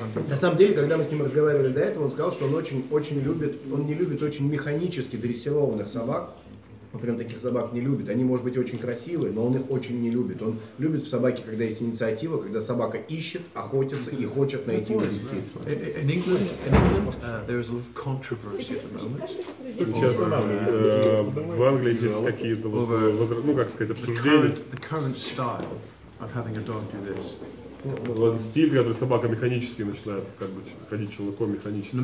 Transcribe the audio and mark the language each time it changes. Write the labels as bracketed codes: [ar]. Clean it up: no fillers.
[ru] На самом деле, когда мы с ним разговаривали до этого, он сказал, что он очень любит, он не любит очень механически дрессированных собак. Он прям таких собак не любит. Они, может быть, очень красивые, но он их очень не любит. Он любит в собаке, когда есть инициатива, когда собака ищет, охотится и хочет найти инициативу. [en] In England, there is a little controversy at the moment. [ru] Что сейчас в Англии есть какие-то обсуждения? [en] The current style of having a dog do this. [ru] Вот стиль, который собака механически начинает как бы ходить челноком механически.